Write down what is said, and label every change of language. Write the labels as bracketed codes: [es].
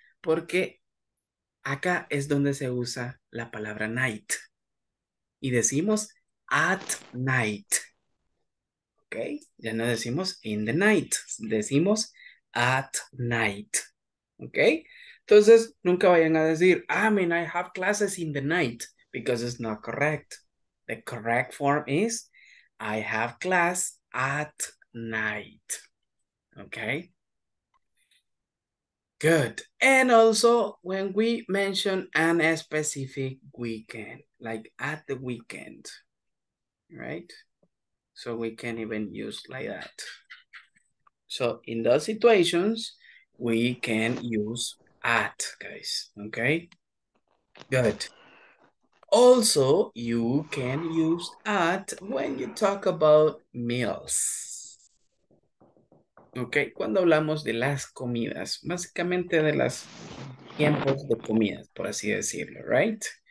[es] Porque acá es donde se usa la palabra night y decimos at night. Okay, ya no decimos in the night, decimos at night. [en] Okay, [es] entonces nunca vayan a decir, [en] I mean, I have classes in the night, because it's not correct. The correct form is, I have class at night. Okay, good. And also, when we mention an specific weekend, like at the weekend, right? So we can even use like that. So in those situations, we can use at, guys. Okay? Good. Also, you can use at when you talk about meals. [es] Ok, cuando hablamos de las comidas, básicamente de los tiempos de comidas, por así decirlo, right?